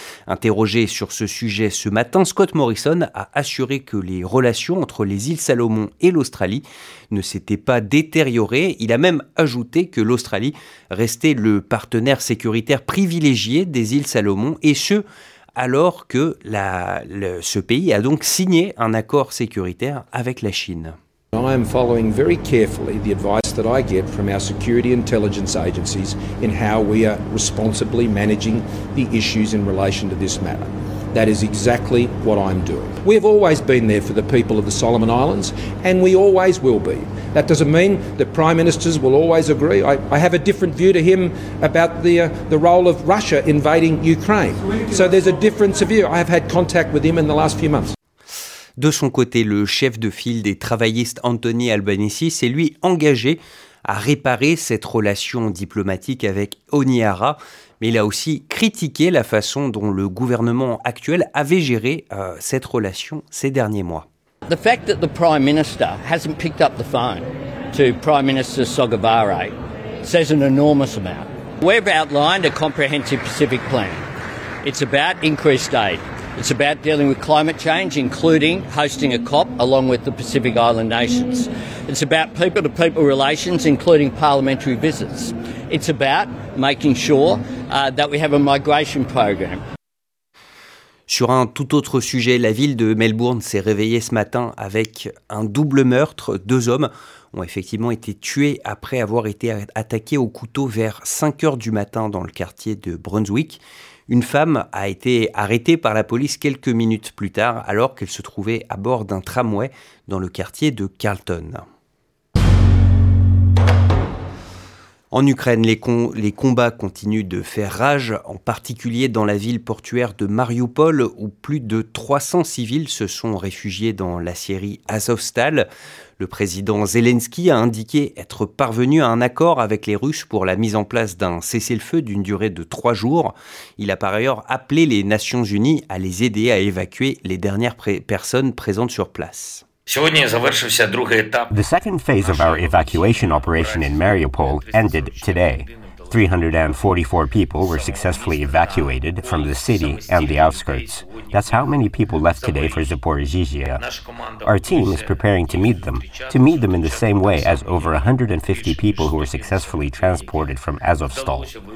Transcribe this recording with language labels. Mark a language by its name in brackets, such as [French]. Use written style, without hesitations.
[French] Interrogé sur ce sujet ce matin, Scott Morrison a assuré que les relations entre les îles Salomon et l'Australie ne s'étaient pas détériorées. Il a même ajouté que l'Australie restait le partenaire sécuritaire privilégié des îles Salomon, et ce, alors que ce pays a donc signé un accord sécuritaire avec la Chine. [English] I am following very carefully the advice that I get from our security intelligence agencies in how we are responsibly managing the issues in relation to this matter. That is exactly what I'm doing. We have always been there for the people of the Solomon Islands, and we always will be. That doesn't mean that prime ministers will always agree. I have a different view to him about the role of Russia invading Ukraine. So there's a difference of view. I have had contact with him in the last few months. [French] De son côté, le chef de file des travaillistes Anthony Albanese s'est lui engagé à réparer cette relation diplomatique avec Honiara, mais il a aussi critiqué la façon dont le gouvernement actuel avait géré cette relation ces derniers mois. [English] The fact that the Prime Minister hasn't picked up the phone to Prime Minister Sogavare says an enormous amount. We've outlined a comprehensive Pacific plan. It's about increased aid. It's about dealing with climate change, including hosting a COP along with the Pacific Island nations. It's about people-to-people relations, including parliamentary visits. It's about making sure that we have a migration program. [French] Sur un tout autre sujet, la ville de Melbourne s'est réveillée ce matin avec un double meurtre. Deux hommes ont effectivement été tués après avoir été attaqués au couteau vers 5 heures du matin dans le quartier de Brunswick. Une femme a été arrêtée par la police quelques minutes plus tard alors qu'elle se trouvait à bord d'un tramway dans le quartier de Carlton. En Ukraine, les combats continuent de faire rage, en particulier dans la ville portuaire de Mariupol, où plus de 300 civils se sont réfugiés dans l'aciérie Azovstal. Le président Zelensky a indiqué être parvenu à un accord avec les Russes pour la mise en place d'un cessez-le-feu d'une durée de 3 jours. Il a par ailleurs appelé les Nations Unies à les aider à évacuer les dernières personnes présentes sur place. [English] The second phase of our evacuation operation in Mariupol ended today. 344 people were successfully evacuated from the city and the outskirts. That's how many people left today for Zaporizhzhia. Our team is preparing to meet them in the same way as over 150 people who were successfully transported from Azovstal.